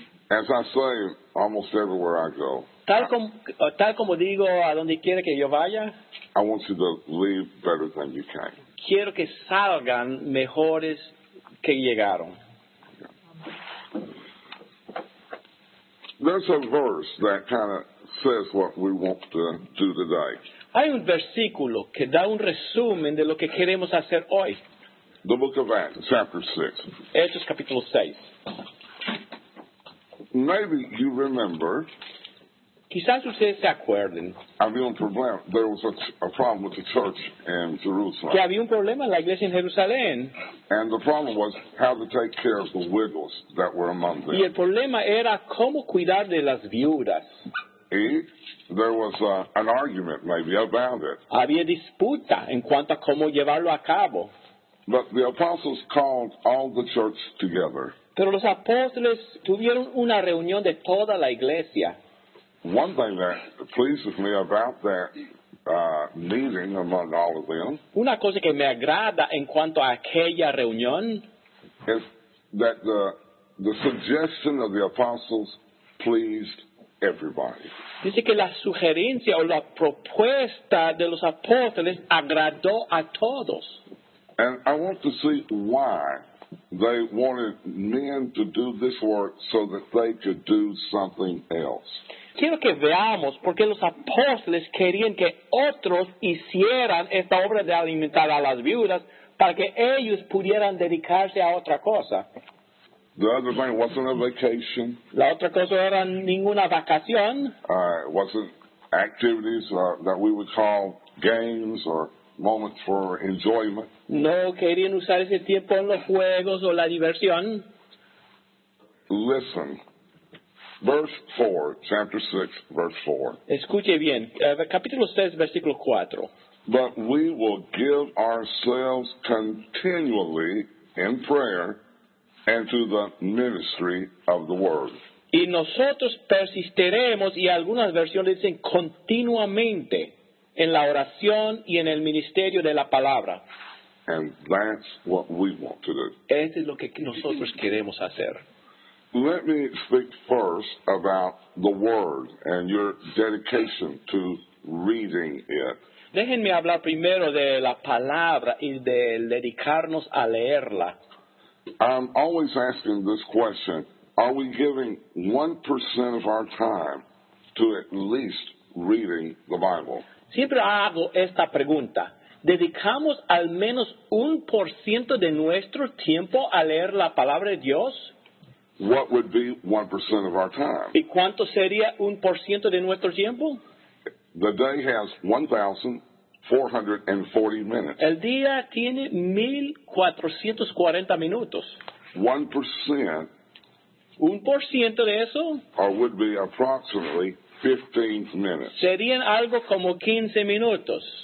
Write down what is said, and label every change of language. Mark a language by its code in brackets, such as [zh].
[en] As I say, almost everywhere I go. [es] Tal como digo, a donde quiera que yo vaya. [en] I want you to leave better than you came. [es] Quiero que salgan mejores que llegaron. [en] There's a verse that kind of says what we want to do today. [es] Hay un versículo que da un resumen de lo que queremos hacer hoy. [en] The book of Acts, chapter 6. [es] Hechos, capítulo 6. [en] Maybe you remember. [es] Quizás ustedes se acuerden. Había un problema. [en] There was a problem with the church in Jerusalem. [es] Que había un problema en la iglesia en Jerusalén. [en] And the problem was how to take care of the widows that were among them. [es] Y el problema era cómo cuidar de las viudas. [en] Y there was an argument maybe about it. [es] Había disputa en cuanto a cómo llevarlo a cabo. [en] But the apostles called all the church together. [es] Pero los apóstoles tuvieron una reunión de toda la iglesia. [en] One thing that pleases me about that meeting among all of them. [es] Una cosa que me agrada en cuanto a aquella reunión. [en] Is that the suggestion of the apostles pleased everybody. [es] Dice que la sugerencia o la propuesta de los apóstoles agradó a todos. [en] And I want to see why they wanted men to do this work so that they could do something else. [es] Quiero que veamos por qué los apóstoles querían que otros hicieran esta obra de alimentar a las viudas para que ellos pudieran dedicarse a otra cosa. [en] The other thing wasn't a vacation. [es] La otra cosa era ninguna vacación. [en] Wasn't activities that we would call games or moments for enjoyment. [es] No querían usar ese tiempo en los juegos o la diversión. [en] Listen. Verse 4, chapter 6, verse 4. [es] Escuche bien. Capítulo 6, versículo 4. [en] But we will give ourselves continually in prayer and to the ministry of the word. [es] Y nosotros persistiremos, y algunas versiones dicen continuamente, en la oración y en el ministerio de la palabra. [en] And that's what we want to do. [es] Eso es lo que nosotros queremos hacer. [en] Let me speak first about the word and your dedication to reading it. [es] Déjenme hablar primero de la palabra y de dedicarnos a leerla. [en] I'm always asking this question. Are we giving 1% of our time to at least reading the Bible? [es] Siempre hago esta pregunta. ¿Dedicamos al menos 1% de nuestro tiempo a leer la palabra de Dios? [en] What would be 1% of our time? [es] ¿Y cuánto sería 1% de nuestro tiempo? [en] The day has 1,440 minutes. [es] El día tiene 1,440 minutos. [en] 1%. [es] 1% de eso. [en] Or would be approximately 15 minutes. [es] Serían algo como 15 minutos.